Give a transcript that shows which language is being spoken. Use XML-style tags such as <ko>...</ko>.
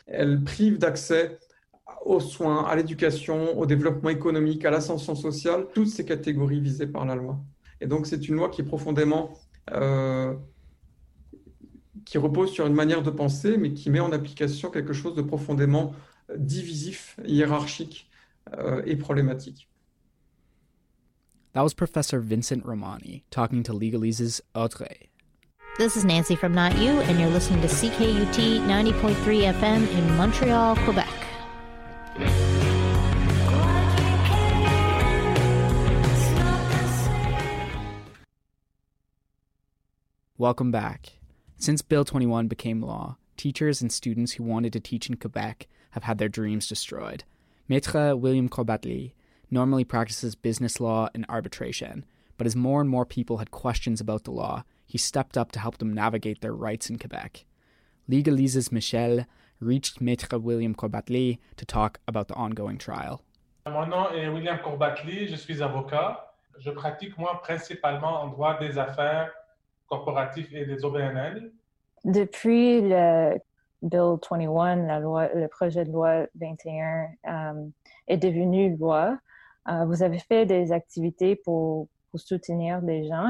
<fr>Elles privent d'accès aux soins, à l'éducation, au développement économique, à l'ascension sociale, toutes ces catégories visées par la loi. Et donc c'est une loi qui est profondément, qui repose sur une manière de penser, mais qui met en application quelque chose de profondément divisif, hiérarchique, et problématique.</fr> <en>That was Professor Vincent Romani talking to Legalese's Audrey. This is Nancy from Not You, and you're listening to CKUT 90.3 FM in Montreal, Quebec. Welcome back. Since Bill 21 became law, teachers and students who wanted to teach in Quebec have had their dreams destroyed. Maître William Corbatli normally practices business law and arbitration, but as more and more people had questions about the law, he stepped up to help them navigate their rights in Quebec. Legalese's Michel reached Maître William Corbatli to talk about the ongoing trial.</en> <fr>Mon nom est William Corbatli, je suis avocat. Je pratique moi principalement en droit des affaires corporatif et des OBNL. Depuis le Bill 21, la loi, le projet de loi 21 est devenu loi, vous avez fait des activités pour soutenir des gens.</fr>